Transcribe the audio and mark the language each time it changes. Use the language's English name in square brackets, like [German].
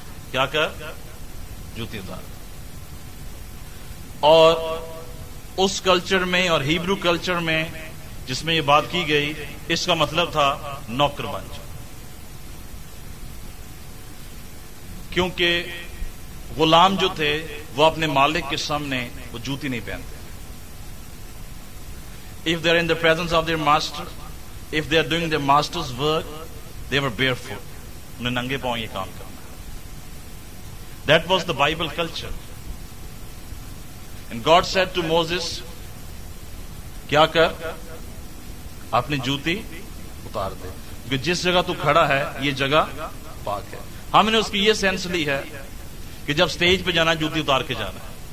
[Urdu] کیا کر؟ جوتی اتار دے. اور اس کلچر میں اور ہیبرو کلچر میں جس میں یہ بات کی گئی, اس کا مطلب تھا نوکر بن جا. کیونکہ غلام جو تھے وہ اپنے مالک کے سامنے وہ جوتی نہیں پہنتے. [English] if they are in the presence of their master, if they are doing their master's work, they were barefoot, [Urdu] انہیں ننگے پاؤں یہ کام کرنا. [English] That was the Bible culture. And God said to Moses, [Urdu] کیا کر؟ اپنی جوتی اتار دے, کیونکہ جس جگہ تو کھڑا ہے یہ جگہ پاک ہے. ہم نے اس کی یہ سینس لی ہے کہ جب سٹیج پہ جانا ہے جوتی اتار کے جانا ہے.